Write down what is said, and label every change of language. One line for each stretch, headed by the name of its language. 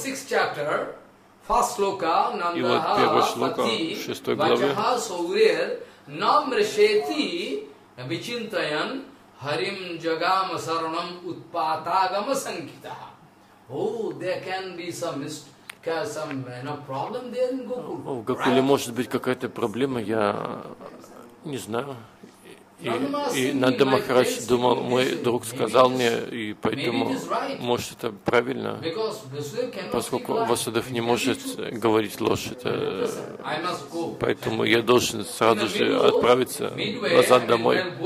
Russian: И вот первый шлока в 6 главе.
Sanskrit: Harim jagam saranam utpatagam sankita.
English: Oh, there can be some you know, problem there in Gokul.
Russian: В Гокуле может быть какая-то проблема, я не знаю. И Нанда Махарадж думал, мой друг сказал мне, и поэтому, может, это правильно, поскольку Васудев не может говорить ложь, это, поэтому я должен сразу же отправиться назад домой.